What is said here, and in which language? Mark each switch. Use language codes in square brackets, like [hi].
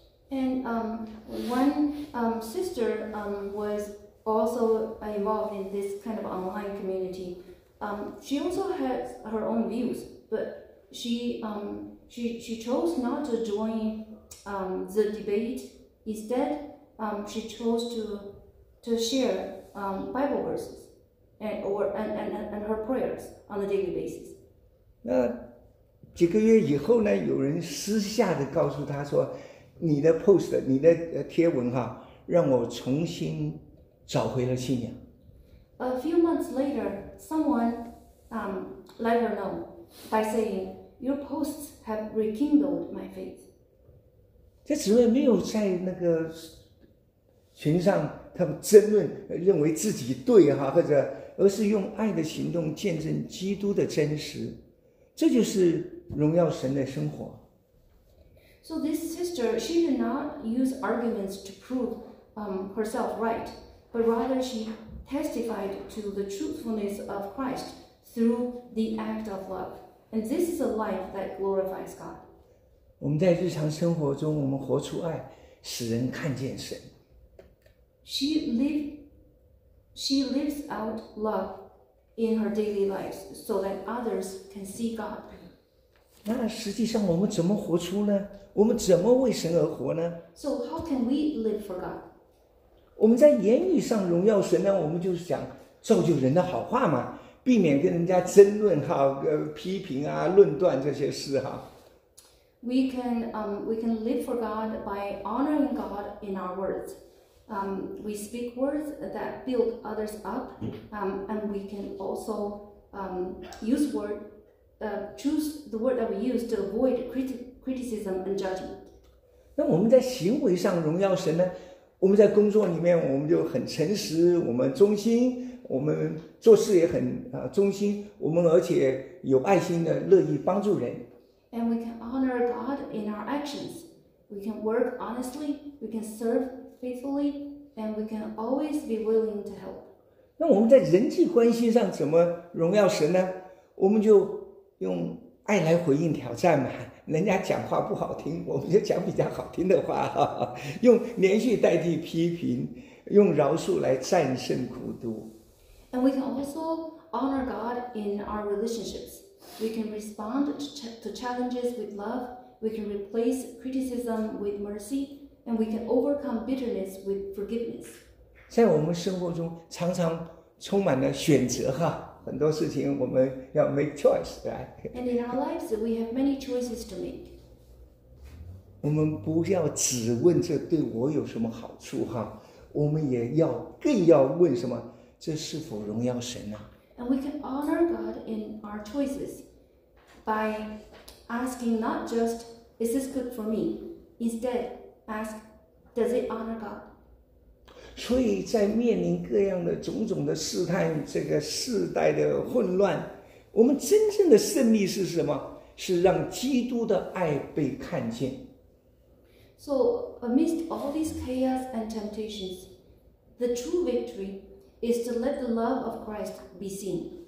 [en] And one sister was also involved in this kind of online community. She also had her own views, but she chose not to join the debate. Instead, she chose to share Bible verses and her prayers on a daily basis. [zh] 那几个月以后呢，有人私下的告诉他说：“你的 post， 你的贴文哈，让我重新找回了信仰。” [en] A few months later, someone let her know by saying, Your posts have rekindled my faith. [zh] 这姊妹没有在那个群上他们争论，认为自己对哈，或者而是用爱的行动见证基督的真实，这就是荣耀神的生活。 [en] So this sister, she did not use arguments to prove herself right, but rather she testified to the truthfulness of Christ through the act of love. And this is a life that glorifies God. [zh] 我们在日常生活中，我们活出爱，使人看见神。 [en] She lives out love in her daily lives so that others can see God. [zh] 那实际上我们怎么活出呢？我们怎么为神而活呢？ [en] So how can we live for God? [zh] 我们在言语上荣耀神呢，我们就是想造就人的好话嘛，避免跟人家争论哈，批评啊，论断这些事哈。 [en] We can live for God by honoring God in our words. We speak words that build others up. And we can also choose the word that we use to avoid criticism and judgment. [zh] 那我们在行为上荣耀神呢？我们在工作里面，我们就很诚实，我们忠心，我们做事也很忠心，我们而且有爱心的，乐意帮助人。 [en] And we can honor God in our actions. We can work honestly. We can serve faithfully. And we can always be willing to help. [zh] 那我们在人际关系上怎么荣耀神呢？我们就用爱来回应挑战嘛。人家讲话不好听，我们就讲比较好听的话，用连续代替批评，用饶恕来战胜苦毒。 [en] And we can also honor God in our relationships. We can respond to challenges with love. We can replace criticism with mercy. And we can overcome bitterness with forgiveness. [zh] 在我们生活中常常充满了选择哈，很多事情我们要 [en] make choice, right? And in our lives, we have many choices to make. [zh] 我们不要只问这对我有什么好处哈，我们也要更要问什么，这是否荣耀神啊？ [en] And we can honor God in our choices by asking not just, is this good for me? Instead, ask, does it honor God? [zh] 所以在面临各样的种种的试探，这个世代的混乱，我们真正的胜利是什么？是让基督的爱被看见。 [en] So amidst all these chaos and temptations, the true victory is to let the love of Christ be seen.